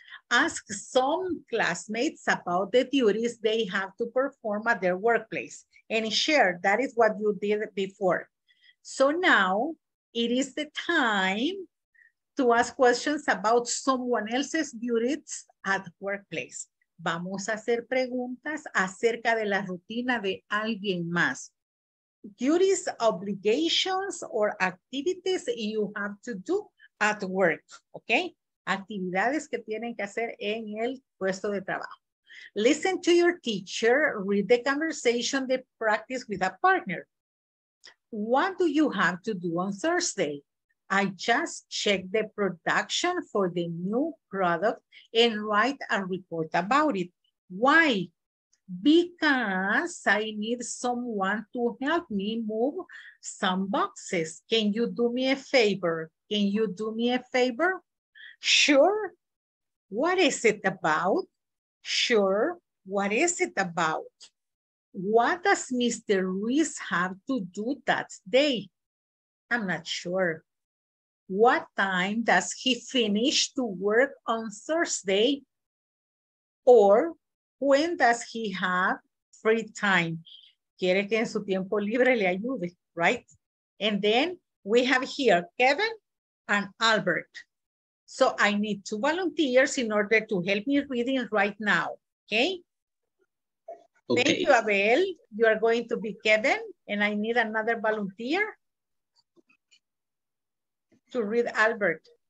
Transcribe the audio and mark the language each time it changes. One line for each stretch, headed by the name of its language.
English: Ask some classmates about the duties they have to perform at their workplace and share. That is what you did before. So now it is the time to ask questions about someone else's duties at workplace.
Spanish: Vamos a hacer preguntas acerca de la rutina de alguien más.
English: Duties, obligations, or activities you have to do at work, okay?
Spanish: Actividades que tienen que hacer en el puesto de trabajo.
English: Listen to your teacher, read the conversation, the practice with a partner. What do you have to do on Thursday? I just checked the production for the new product and write a report about it. Why? Because I need someone to help me move some boxes. Can you do me a favor? Can you do me a favor? Sure. What is it about? Sure. What is it about? What does Mr. Ruiz have to do that day? I'm not sure. What time does he finish to work on Thursday? Or when does he have free time?
Spanish: Quiere que en su tiempo libre le ayude, right?
English: And then we have here Kevin and Albert. So I need two volunteers in order to help me reading right now, okay? Okay. Thank you, Abel. You are going to be Kevin, and I need another volunteer to read Albert.